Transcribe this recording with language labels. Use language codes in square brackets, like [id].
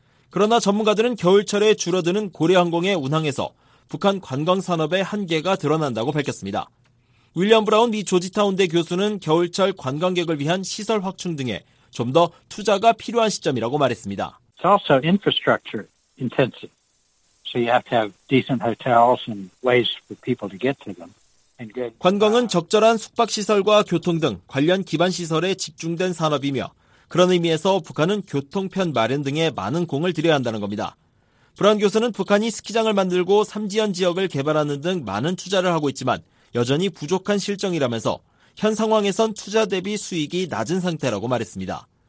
[ko] 그러나 전문가들은 겨울철에 줄어드는 고려항공의 운항에서 북한 관광산업의 한계가 드러난다고 밝혔습니다. 윌리엄 브라운 미 조지타운대 교수는 겨울철 관광객을 위한 시설 확충 등에 좀 더 투자가 필요한 시점이라고 말했습니다. [en] It's also infrastructure intensive. So you have to have decent hotels and ways for people to get to them. [ko] 관광은 적절한 숙박시설과 교통 등 관련 기반시설에 집중된 산업이며 그런 의미에서 북한은 교통편 마련 등에 많은 공을 들여야 한다는 겁니다. 브라운 교수는 북한이 스키장을 만들고 삼지연 지역을 개발하는 등 많은 투자를 하고 있지만 여전히 부족한 실정이라면서 현 상황에선 투자 대비 수익이 낮은 상태라고 말했습니다.